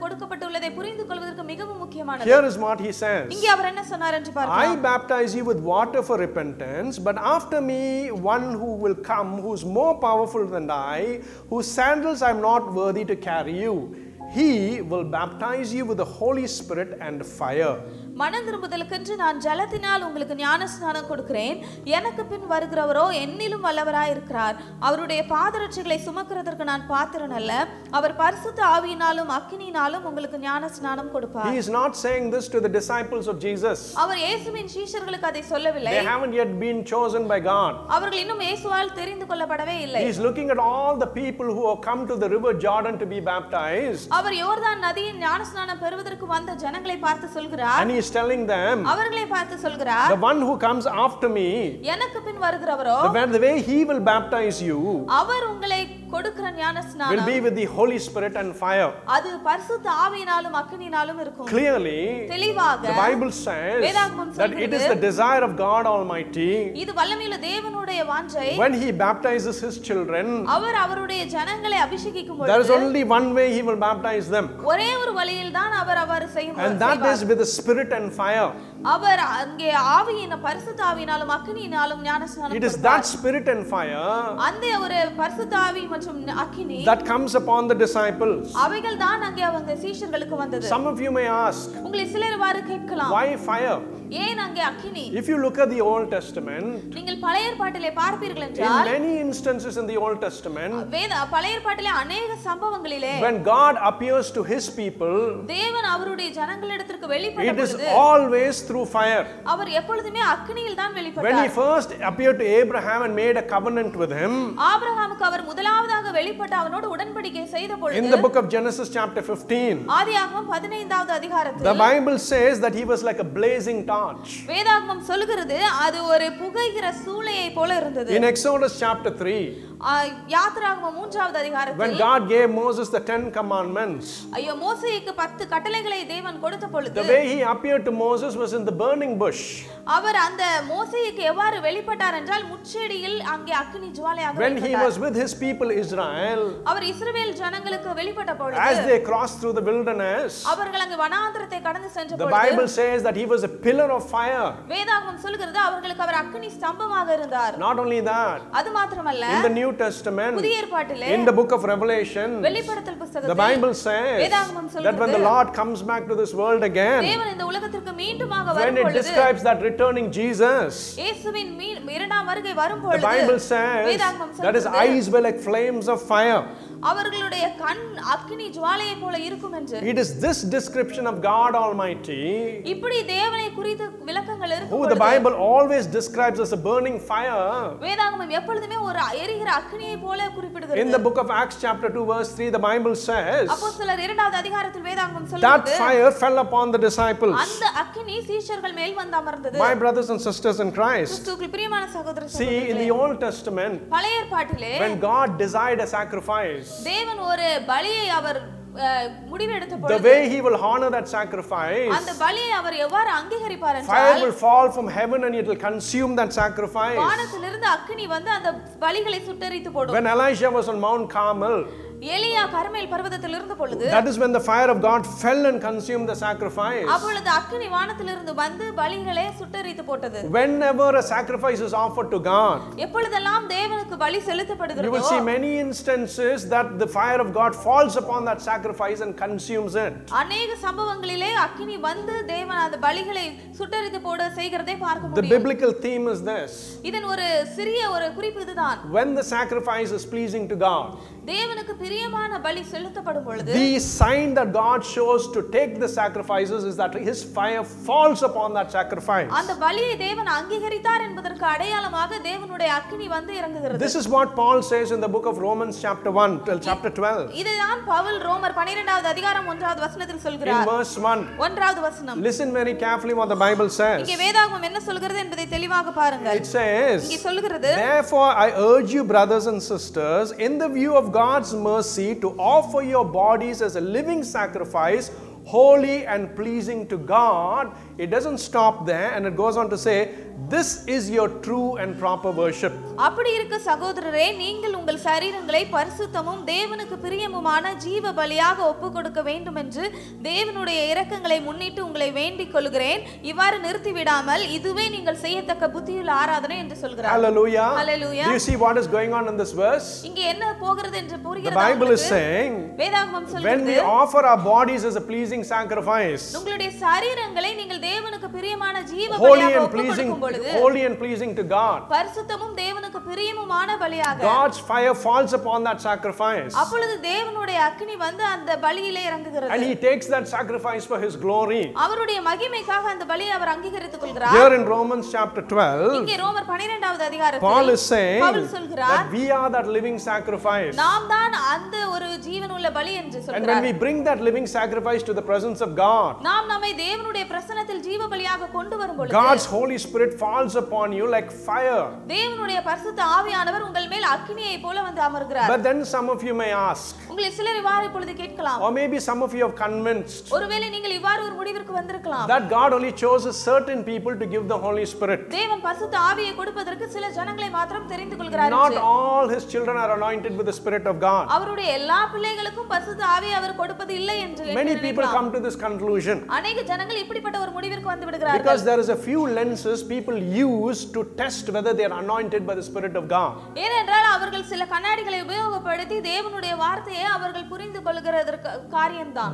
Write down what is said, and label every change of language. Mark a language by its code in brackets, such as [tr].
[en] Here is what he says. I baptize you with water for repentance, but after me, one who will come who is more powerful than I, whose sandals I am not worthy to carry you. He will baptize you with the Holy Spirit and fire. [ta] மனந்திரும்புதலுக்கென்று நான் ஜலத்தினால் உங்களுக்கு ஞானஸ்நானம் கொடுக்கிறேன். எனக்கு பின் வருகிறவரோ என்னிலும் வல்லவராயிருக்கிறார். அவருடைய பாதரட்சிகளை சுமக்கிறதற்கு நான் பாத்திரன் அல்ல. அவர் பரிசுத்த ஆவியினாலும் அக்கினியினாலும் உங்களுக்கு ஞானஸ்நானம் கொடுப்பார். [en] He is not saying this to the disciples of Jesus. [ta] அவர் இயேசுவின் சீஷர்களுக்கு அதை சொல்லவில்லை. [en] They haven't yet been chosen by God. [ta] அவர்கள் இன்னும் இயேசுவால் தெரிந்து கொள்ளப்படவே இல்லை. [en] He is looking at all the people who have come to the river Jordan to be baptized. [ta] அவர் யோர்தான் நதியின் ஞானஸ்நானம் பெறுவதற்கு வந்த ஜனங்களை பார்த்து சொல்கிறார். [en] He is telling them, the one who comes after me, the way he will baptize you, [ta] கொடுக்கிற ஞான ஸ்நானம் [en] will be with the Holy Spirit and fire. [ta] அது பரிசுத்த ஆவியினாலும் அக்கினியாலும் இருக்கும். [en] Clearly, [ta] தெளிவாக [en] the Bible says that it is the desire of God Almighty. [ta] இது வல்லமையுள்ள தேவனுடைய வாஞ்சை. [en] When he baptizes his children, [ta] அவர் அவருடைய ஜனங்களை அபிஷேகிக்கும் பொழுது [en] there is only one way he will baptize them. [ta] ஒரே ஒரு வழியில் தான் அவர் அவரை செய்வார். [en] And that is with the Spirit and fire. [ta] அவர் அங்கே ஆவியின பரிசுத்த ஆவியினாலும் அக்கினியினாலும் ஞான ஸ்நானம் [en] It is that Spirit and fire. [ta] அந்த ஒரு பரிசுத்த ஆவி மற்றும் அக்கினி [en] That comes upon the disciples. [ta] அவைகள் தான் அங்கே அவங்க சீஷர்களுக்கு வந்தது. [en] Some of you may ask. [ta] உங்களை சிலர் வாறு கேட்கலாம். [en] Why fire? [ta] ஏன் அங்கே அக்கினி? [en] If you look at the Old Testament. [ta] நீங்கள் பழைய ஏற்பாட்டிலே பார்ப்பீர்கள் என்றால் [en] In many instances in the Old Testament. [ta] வேத பழைய ஏற்பாட்டிலே அநேக சம்பவங்களிலே [en] When God appears to his people. [ta] தேவன் அவருடைய ஜனங்களிடத்திற்கு வெளிப்படும் பொழுது [en] It is always through fire. [ta] அவர் எப்பொழுதுமே அக்கினியில் தான் வெளிப்பட்டார். [en] When he first appeared to Abraham and made a covenant with him. [ta] ஆபிரகாமுக்கு அவர் முதலாவதாக வெளிப்பட்டு அவனோடு உடன்படிக்கை செய்த பொழுது [en] In the book of Genesis chapter 15. [ta] ஆதியாகமம் 15வது அதிகாரத்தில் [en] The Bible says that he was like a blazing torch. [ta] வேதாகமம் சொல்கிறது அது ஒரு புகையிற சூளையை போல இருந்தது. [en] In Exodus chapter 3. [ta] யாத்ராகமம் 3வது அதிகாரத்தில் [en] When God gave Moses the 10 commandments. [ta] ஐயோ மோசேக்கு 10 கட்டளைகளை தேவன் கொடுத்த பொழுது [en] The way he appeared to Moses was in the burning bush. [ta] அவர் அந்த மோசேக்கு எவ்வாறு வெளிப்பட்டார் என்றால் முட்செடியில் அங்கே அக்கினி ஜுவாலையாக [en] When he was with his people Israel. [ta] அவர் இஸ்ரவேல் ஜனங்களுக்கு வெளிப்பட்ட பொழுது [en] As they crossed through the wilderness. [ta] அவர்கள் அங்கே வனாந்தரத்தை கடந்து சென்ற பொழுது [en] The Bible says that he was a pillar of fire. [ta] வேதாகமம் சொல்கிறது அவர்களுக்கு அவர் அக்கினி ஸ்தம்பமாக இருந்தார். [en] Not only that. [ta] அது மட்டுமல்ல [en] In the New Testament. [ta] புதிய ஏற்பாட்டிலே [en] In the book of Revelation. [ta] வெளிப்படுத்தல் புத்தகத்தில் [en] The Bible says [ta] வேதாகமம் சொல்கிறது [en] that when the Lord comes back to this world again. [ta] தேவன் இந்த உலகத்திற்கு மீண்டுமாக வரும் பொழுது [en] When it describes that returning Jesus. [ta] இயேசுவின் இரண்டாம் வருகை வரும் பொழுது [en] The Bible says that his eyes were like flames of fire. [ta] அவர்களுடைய கண் அக்கினி ஜுவாலையை போல இருக்கும் என்று [en] It is this description of God Almighty. [ta] இப்படி தேவனை குறித்த விளக்கங்கள் இருக்கும் போது [en] The Bible always describes as a burning fire. [ta] வேதாகமம் எப்பொழுதே ஒரு எரிகிற அக்கினியை போல குறிப்பிடுகிறது. [en] In the book of Acts chapter 2 verse 3 the Bible says [ta] அப்போஸ்தலர் இரண்டாவது அதிகாரத்தில் வேதாகமம் சொல்கிறது [en] That fire fell upon the disciples. [ta] அந்த அக்கினி சீஷர்கள் மேல் வந்து அமர்ந்தது. [en] My brothers and sisters in Christ. [ta] கிறிஸ்துவுக்கு பிரியமான சகோதர சகோதரிகளே [en] See in the Old Testament [ta] பழைய ஏற்பாட்டிலே [en] when God desired a sacrifice [ta] தேவன் ஒரு பலியை அவர் [en] The way he will honor that sacrifice. [ta] அந்த பலியை அவர் எவ்வாறு அங்கீகரிப்பார் என்றால் [en] Fire will fall from heaven and it will consume that sacrifice. [ta] வானத்திலிருந்து அக்கினி வந்து அந்த பலிகளை சுட்டெரித்து போடும். [en] When Elijah was on Mount Carmel. [ta] எலியா கர்மேல் பர்வதத்தில் இருந்த பொழுது [en] That is when the fire of God fell and consumed the sacrifice. [ta] அப்பொழுது அக்கினி வானத்திலிருந்து வந்து பலிகளை சுட்டெரித்து போட்டது. [en] Whenever a sacrifice is offered to God. [ta] எப்பொழுதெல்லாம் தேவனுக்கு பலி செலுத்தப்படுகிறதோ [en] You will see many instances that the fire of God falls upon that sacrifice and consumes it. [ta] அநேக சம்பவங்களிலே அக்கினி வந்து தேவன் அந்த பலிகளை சுட்டெரித்து போட செய்கிறதை பார்க்க முடியும். [en] The biblical theme is this. [ta] இதன் ஒரு சிறிய ஒரு குறிப்பு இதுதான். [en] When the sacrifice is pleasing to God. [ta] தேவனுக்கு பிரியமான பலி செலுத்தப்படும் பொழுது [en] the sign that God shows to take the sacrifices is that his fire falls upon that sacrifice [ta] அந்த பலியை தேவன் அங்கீகரித்தார் என்பதற்கு அடையாளமாக தேவனுடைய அக்கினி வந்து இறங்குகிறது [en] this is what Paul says in the book of Romans chapter 1 till chapter 12 [ta] இதுதான் பவுல் ரோமர் 12வது அதிகாரம் 1வது வசனத்தில் சொல்கிறார் [en] in verse 1 [ta] 1வது வசனம் [en] listen very carefully what the bible says [ta] இங்கே வேதாகமம் என்ன சொல்கிறது என்பதை தெளிவாக பாருங்கள் [en] it says [ta] இங்கே சொல்கிறது [en] therefore I urge you brothers and sisters in the view of God's mercy to offer your bodies as a living sacrifice, holy and pleasing to God. It doesn't stop there and it goes on to say, this is your true and proper worship. [ta] அப்படி இருக்க சகோதரரே நீங்கள் உங்கள் சரீரங்களை பரிசுத்தமும் தேவனுக்கு பிரியமுமான ஜீவ பலியாக ஒப்பு கொடுக்க வேண்டும் என்று தேவனுடைய இரக்கங்களை முன்னிட்டு உங்களை வேண்டிக் கொள்கிறேன் இவ்வாறு நிறுத்தி விடாமல் இதுவே நீங்கள் செய்யத்தக்க புத்தியுள்ள ஆராதனை என்று சொல்கிறார் [en] Hallelujah. Hallelujah. Do you see what is going on in this verse? [ta] இங்க என்ன போகிறது என்று புரிகிறதா? [en] The Bible is saying [ta] வேதாகமம் சொல்கிறது [en] when we offer our bodies as a pleasing sacrifice. [ta] உங்களுடைய சரீரங்களை நீங்கள் தேவனுக்கு பிரியமான ஜீவ பலியாக ஒப்பு கொடுக்கும் பொழுது [en] holy and pleasing to God. [ta] பரிசுத்தமும் தேவனுக்கு பிரியமுமான பலியாக [en] God's fire falls upon that sacrifice. [ta] அப்பொழுது தேவனுடைய அக்கினி வந்து அந்த பலியிலே இறங்குகிறது. [en] And he takes that sacrifice for his glory. [ta] அவருடைய மகிமைக்காக அந்த பலியை அவர் அங்கீகரித்துக் கொள்கிறார். [en] Here in Romans chapter 12. [ta] இங்கே ரோமர் 12வது அதிகாரத்தில் [en] Paul is saying [ta] பவுல் சொல்கிறார் [en] that we are that living sacrifice. [ta] நாம் தான் அந்த ஒரு ஜீவனுள்ள பலி என்று சொல்கிறார். [en] And when we bring that living sacrifice to the presence of God. [ta] நாம் நம்மை தேவனுடைய பிரசன்னத்தில் ஜீவபலியாக கொண்டு வரும்பொழுது [en] God's Holy Spirit falls upon you like fire. [ta] தேவனுடைய பரிசுத்த ஆவியானவர் உங்கள் மேல் அக்கினியை போல வந்து அமர்கிறார். [en] But then some of you may ask. [ta] உங்களில் சிலர் இவ்வாறு இப்பொழுது கேட்கலாம். [en] Or maybe some of you have convinced. [ta] ஒருவேளை நீங்கள் இவ்வாறு ஒரு முடிவிற்கு வந்திருக்கலாம். [en] That God only chooses certain people to give the Holy Spirit. [ta] தேவன் பரிசுத்த ஆவியை கொடுப்பதற்கு சில ஜனங்களை மட்டும் தெரிந்து கொள்கிறார் என்று. [en] Not all his children are anointed with the Spirit of God. [ta] அவருடைய எல்லா பிள்ளைகளுக்கும் பரிசுத்த ஆவி அவர் கொடுப்பது இல்லை என்று. [en] Many people come to this conclusion. [ta] அநேக ஜனங்கள் இப்படிப்பட்ட ஒரு முடிவிற்கு வந்து விடுகிறார்கள். [en] Because there is a few lenses people use to test whether they are anointed by the Spirit of God. [ta] ஏனென்றால் அவர்கள் சில கண்ணாடிகளை உபயோகப்படுத்தி தேவனுடைய வார்த்தையை அவர்கள் புரிந்து கொள்கிறதற்கு காரியம்தான்.